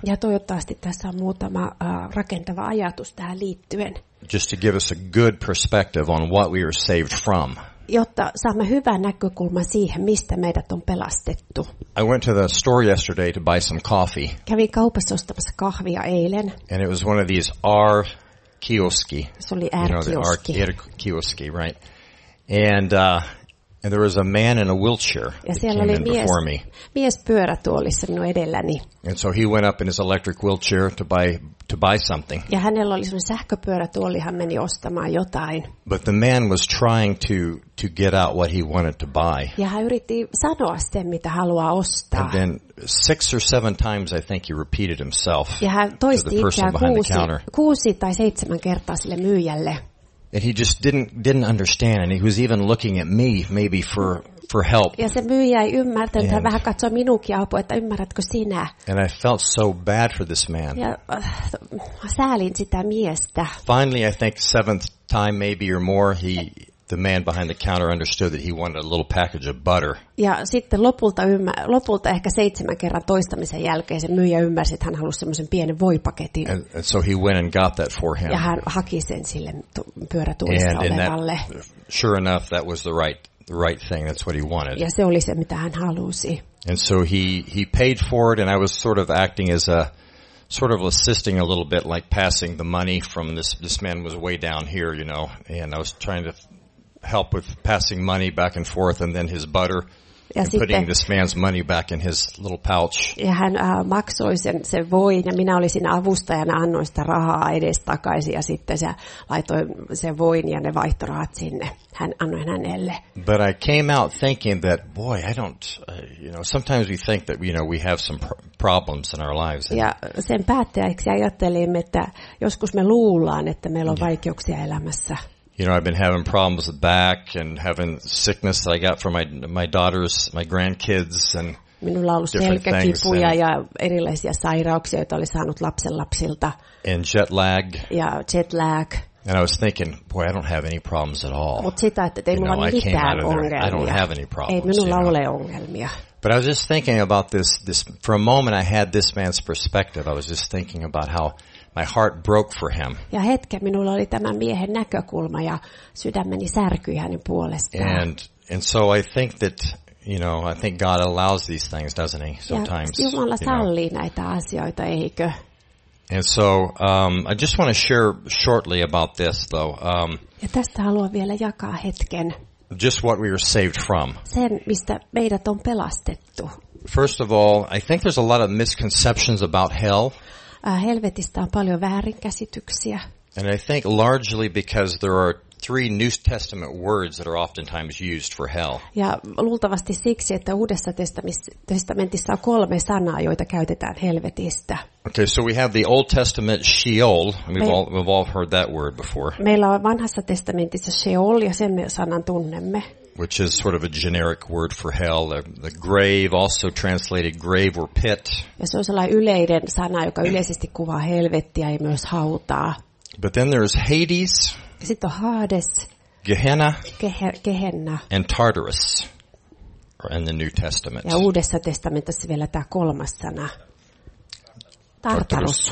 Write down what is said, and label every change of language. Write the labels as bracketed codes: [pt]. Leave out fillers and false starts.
[fi] Ja toivottavasti tässä on muutama rakentava ajatus tähän liittyen. [en] Just to give us a good perspective on what we are saved from. [fi] Jotta saamme hyvän näkökulman siihen, mistä meidät on pelastettu. [en] I went to the store yesterday to buy some coffee. [fi] Kävin kaupassa ostamassa kahvia eilen. [en] And it was one of these R kioski. [fi] Se oli R-kioski. [en] You know, R-kioski, right? And there was a man in a wheelchair before me. [fi] Mies pyörätuolissa minun edelläni. [en] And so he went up in his electric wheelchair to buy something. [fi] Ja hänellä oli semmoinen sähköpyörätuoli, hän meni ostamaan jotain. [en] But the man was trying to get out what he wanted to buy. [fi] Ja hän yritti sanoa sen, mitä haluaa ostaa. [en] And then 6 or 7 times I think he repeated himself. [fi] Ja hän toisti ikään kuusi tai seitsemän kertaa sille myyjälle. [en] And he just didn't understand, and he was even looking at me maybe for help. [fi] Ja se myyjä ei ymmärtänyt, hän vähän katsoi minunkin apua, että ymmärrätkö sinä. [en] And I felt so bad for this man. [fi] Ja säälin sitä miestä. [en] Finally, I think 7th time maybe or more, the man behind the counter understood that he wanted a little package of butter. [fi] Ja sitten lopulta ehkä 7 kerran toistamisen jälkeen se myyjä ymmärsi, että hän halusi semmoisen pienen voipaketin. [en] And so he went and got that for him. [fi] Ja hän haki sen sille pyörätuolissa olevalle. [en] Sure enough, that was the right thing. That's what he wanted. [fi] Ja se oli se, mitä hän halusi. [en] And so he paid for it, and I was sort of acting as a sort of assisting a little bit, like passing the money from this man was way down here, you know, and I was trying to help with passing money back and forth, and then his butter, [fi] ja [en] and putting this man's money back in his little pouch. [fi] Ja hän maksoi sen voin, ja minä olin siinä avustajana, annoin sitä rahaa edestakaisin, ja sitten se laitoi sen voin ja ne vaihtorahat sinne. Hän annoi hänelle. [en] But I came out thinking that, boy, I don't, you know, sometimes we think that, you know, we have some problems in our lives. [fi] Ja sen päätteeksi ajattelin, että joskus me luullaan, että meillä on vaikeuksia elämässä. [en] You know, I've been having problems with back and having sickness that I got from my daughters, my grandkids, and [fi] minulla on ollut selkäkipuja ja erilaisia sairauksia, joita oli saanut lapsenlapsilta. [en] And jet lag. [fi] Ja jet lag. [en] And I was thinking, boy, I don't have any problems at all. [fi] Mut sitä, että ei minulla mitään ongelmia. [en] I don't have any problems. [fi] Ei minulla ole ongelmia. [en] But I was just thinking about this for a moment. I had this man's perspective. I was just thinking about how my heart broke for him. [fi] Ja hetken minulla oli tämän miehen näkökulma ja sydämeni särkyi hänen puolestaan. [en] And so I think that, you know, I think God allows these things, doesn't he, sometimes. [fi] Ja Jumala sallii näitä asioita, eikö? [en] And so I just want to share shortly about this though. [fi] Ja tästä haluan vielä jakaa hetken. [en] Just what we were saved from. [fi] Sen, mistä meidät on pelastettu. [en] First of all, I think there's a lot of misconceptions about hell. [fi] Helvetistä on paljon väärinkäsityksiä. [en] And I think largely because there are 3 New Testament words that are oftentimes used for hell. [fi] Ja luultavasti siksi, että Uudessa testamentissa on 3 sanaa, joita käytetään helvetistä. [en] Okay, so we have the Old Testament Sheol. We've all heard that word before. [fi] Meillä on Vanhassa testamentissa Sheol ja sen sanan tunnemme. [en] Which is sort of a generic word for hell, the grave, also translated grave or pit. [fi] Ja se on sellainen yleinen sana, joka yleisesti kuvaa helvettiä ja myös hautaa. [en] But then there's Hades. [fi] Sitten on Hades. [en] Gehenna. [fi] Gehenna. [en] And Tartarus in the New Testament. [fi] Ja Uudessa testamentissa vielä tämä 3. sana. Tartarus.